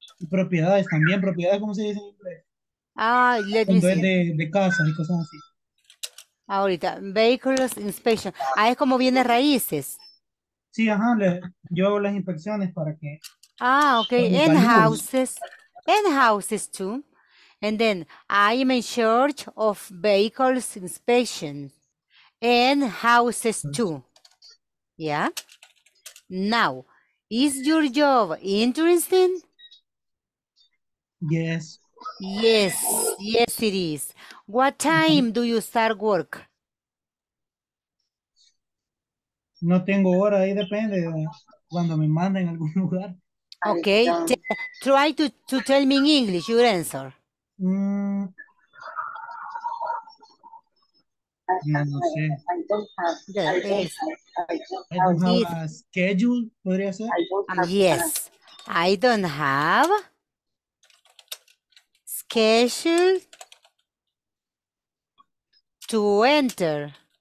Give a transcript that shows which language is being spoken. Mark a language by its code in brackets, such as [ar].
[es] Propiedades también, propiedades, ¿cómo se dice en inglés? [en] Let me see. [es] De casas y cosas así. Ahorita, [en] vehicles inspection. [es] Ah, es como bienes raíces. Sí, ajá, yo hago las inspecciones para que. [en] Ah, okay. In houses. In houses too. And then I am in charge of vehicles inspection. In houses too. Yeah. Now, is your job interesting? Yes. Yes, yes it is. What time do you start work? [es] No tengo hora, ahí depende de cuando me manden en algún lugar. [en] Okay, try to tell me in English your answer. [es] No sé. [en] I don't have a schedule, [es] podría ser. [en] Yes, I don't have schedule to enter.